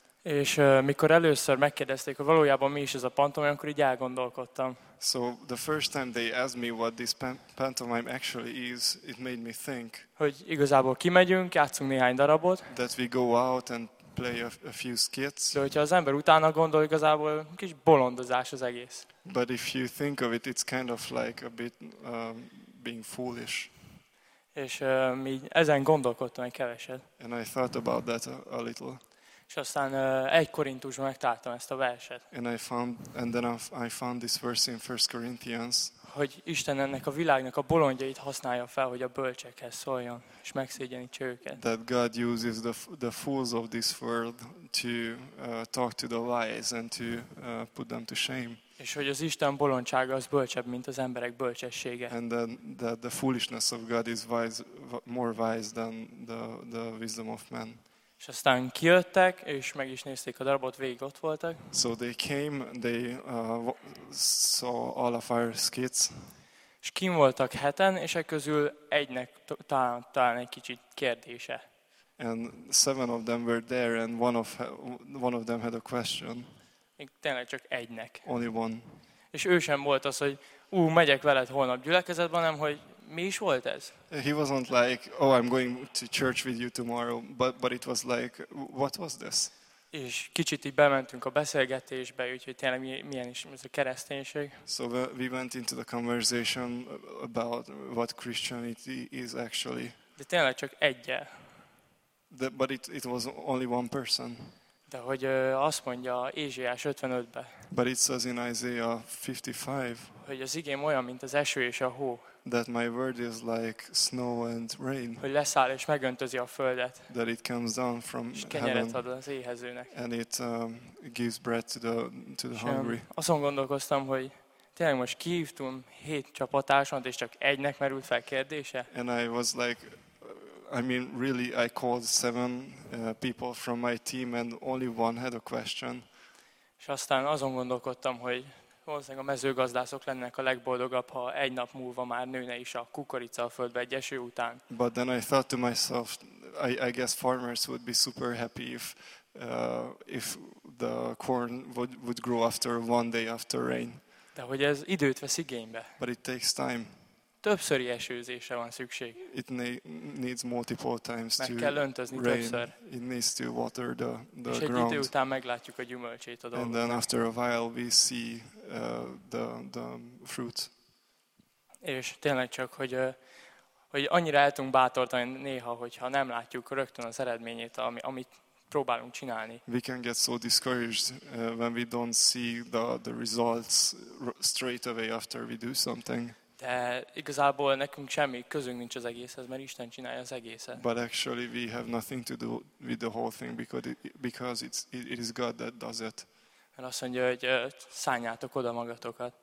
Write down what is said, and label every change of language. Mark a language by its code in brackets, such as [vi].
[hu] És mikor először megkérdezték, hogy valójában mi is ez a pantomim, akkor így elgondolkodtam. [en] So the first time they asked me what this pantomime actually is, it made me think. [hu] Hogy igazából kimegyünk, játszunk néhány darabot. [en] That we go out and play a few skits. [hu] De hogyha az ember utána gondol, igazából kis bolondozás az egész. [en] But if you think of it, it's kind of like a bit being foolish. [hu] És mi ezen gondolkodtam egy keveset. [en] And I thought about that a little. [hu] És aztán egy Korintusban megtaláltam ezt a verset. [en] And then I found this verse in 1 Corinthians. [hu] Hogy Isten ennek a világnak a bolondjait használja fel, hogy a bölcsekhez szóljon, és megszégyenítse őket. [en] That God uses the fools of this world to talk to the wise and to put them to shame. [hu] És hogy az Isten bolondsága az bölcsebb, mint az emberek bölcsessége. [en] And then that the foolishness of God is wise, more wise than the wisdom of man. [hu] És aztán kijöttek, és meg is nézték a darabot, végig ott voltak. [en] So they came, they saw all of our skits. [hu] És kim voltak heten, és ekközül egynek talán egy kicsit kérdése. [en] And seven of them were there, and one of them had a question. [hu] Még tényleg csak egynek. [en] Only one. [hu] És ő sem volt az, hogy megyek veled holnap gyülekezetben, hanem hogy mi is volt ez? [en] He wasn't like, oh, I'm going to church with you tomorrow, but it was like, what was this? [hu] És kicsit így bementünk a beszélgetésbe, úgyhogy tényleg milyen is ez a kereszténység. [en] So we went into the conversation about what Christianity is actually. [hu] De tényleg csak egyel. [en] But it was only one person. [hu] De hogy azt mondja Ézsaiás 55-be. [en] But it says in Isaiah 55. [hu] Hogy az igém olyan, mint az eső és a hó. [en] That my word is like snow and rain. [hu] Hogy leszáll és megöntözi a földet. [en] That it comes down from [hu] heaven. És kenyeret ad az éhezőnek. [en] And it gives bread to the hungry. [hu] Azon gondolkoztam, hogy tényleg most kihívtunk 7 csapatásont, és csak egynek merült fel kérdése. [en] And I was like, I mean, really, I called 7 people from my team, and only one had a question. [hu] És aztán azon gondolkodtam, hogy valószínűleg a mezőgazdászok lennének a legboldogabb, ha egy nap múlva már nőne is a kukorica a földbe egy eső után. [en] But then I thought to myself, I guess farmers would be super happy if the corn would grow after one day after rain. [hu] De hogy ez időt vesz igénybe. [en] But it takes time. [hu] Többszöri esőzésre van szükség. [en] It needs multiple times [hu] meg [en] to [hu] meg kell öntözni [en] rain. [hu] Többször. [en] It needs to water the ground. [hu] És egy idő után meglátjuk a gyümölcsét a dolgoknak. [en] And then after a while we see the fruit. [hu] És tényleg csak, hogy annyira el tudunk bátortani néha, hogyha nem látjuk rögtön az eredményét, amit próbálunk csinálni. [en] We can get so discouraged when we don't see the results straight away after we do something. [hu] De igazából nekünk semmi közünk nincs az egészhez, mert Isten csinálja az egészet. [en] But actually we have nothing to do with the whole thing because it is God that does it. [hu] Mert azt mondja, hogy szálljátok oda magatokat.